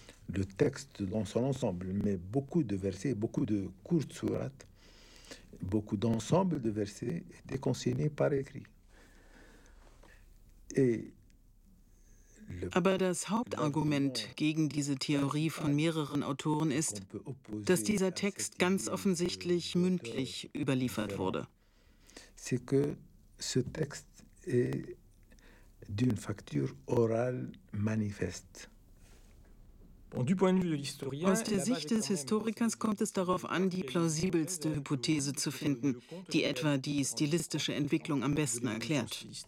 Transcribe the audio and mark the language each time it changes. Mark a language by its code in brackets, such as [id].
[fr] Le texte dans son ensemble, mais beaucoup de versets, beaucoup de courtes sourates, beaucoup d'ensembles de versets étaient consignés par écrit. [de] Aber das Hauptargument gegen diese Theorie von mehreren Autoren ist, dass dieser Text ganz offensichtlich mündlich überliefert wurde. [fr] C'est que ce texte est d'une facture orale manifeste. [de] Aus der Sicht des Historikers kommt es darauf an, die plausibelste Hypothese zu finden, die etwa die stilistische Entwicklung am besten erklärt.